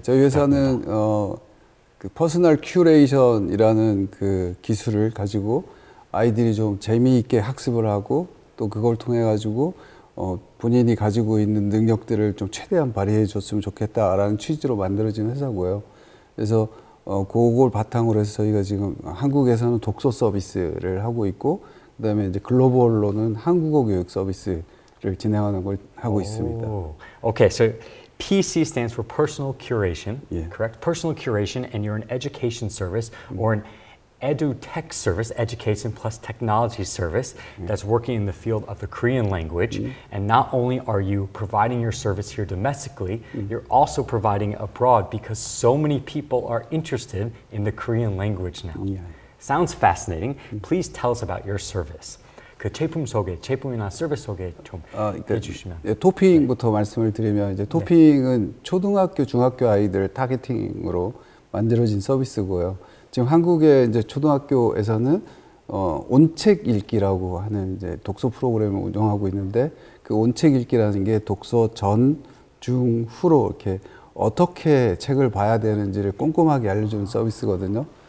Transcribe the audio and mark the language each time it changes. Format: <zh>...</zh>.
<ko>저희 회사는 그 퍼스널 큐레이션이라는 그 기술을 가지고 아이들이 좀 재미있게 학습을 하고 또 그걸 통해 가지고 본인이 가지고 있는 능력들을 좀 최대한 발휘해 줬으면 좋겠다라는 취지로 만들어진 회사고요. 그래서 그걸 바탕으로 해서 저희가 지금 한국에서는 독서 서비스를 하고 있고 그다음에 이제 글로벌로는 한국어 교육 서비스를 진행하는 걸 하고 있습니다.</ko> <en>Okay, so PC stands for personal curation, correct? Personal curation and you're an education service or an EduTech service, education plus technology service that's working in the field of the Korean language. And not only are you providing your service here domestically, you're also providing it abroad because so many people are interested in the Korean language now. Sounds fascinating. Please tell us about your service.</en> <ko>그 제품 소개, 제품이나 서비스 소개 좀 해주시면. 예, 토핑부터 말씀을 드리면 이제 토핑은 초등학교, 중학교 아이들 타겟팅으로 만들어진 서비스고요. 지금 한국의 이제 초등학교에서는 온책 읽기라고 하는 이제 독서 프로그램을 운영하고 있는데 그 온책 읽기라는 게 독서 전, 중, 후로 이렇게 어떻게 책을 봐야 되는지를 꼼꼼하게 알려주는 서비스거든요.</ko>